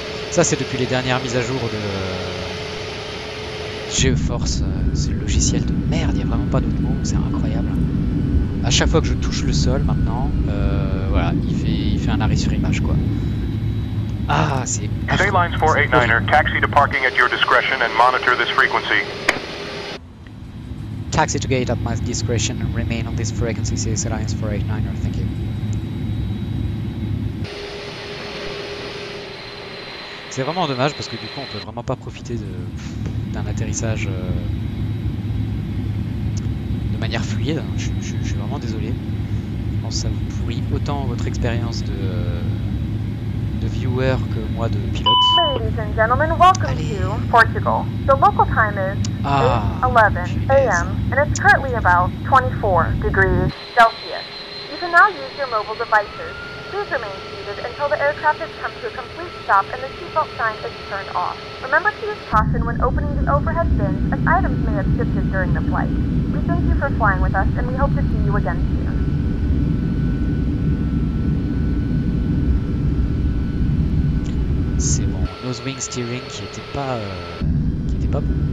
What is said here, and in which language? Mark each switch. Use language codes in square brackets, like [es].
[fr] Ça c'est depuis les dernières mises à jour de GeForce, c'est le logiciel de merde, y a vraiment pas d'autre mot, c'est incroyable. À chaque fois que je touche le sol maintenant, voilà, il fait un arrêt sur image quoi. Ah, c'est... [en] Stay lines 489er, taxi to parking at your discretion and monitor this frequency. Taxi to gate at my discretion and remain on this frequency, says lines 489er, thank you. [fr] C'est vraiment dommage parce que du coup on peut vraiment pas profiter d'un atterrissage de manière fluide, je suis vraiment désolé. Je pense que ça vous pourrit autant votre expérience de viewer que moi de pilote. [en] Ladies and gentlemen, welcome [fr] Allez. [en] To Portugal. The local time is 8:11 a.m. and it's currently about 24 degrees Celsius. You can now use your mobile devices. Please remain seated until the aircraft has come to a complete stop and the seatbelt sign is turned off. Remember to use caution when opening the overhead bins as items may have shifted during the flight. We thank you for flying with us and we hope to see you again soon. [fr] C'est mon nose wing steering qui était pas bon.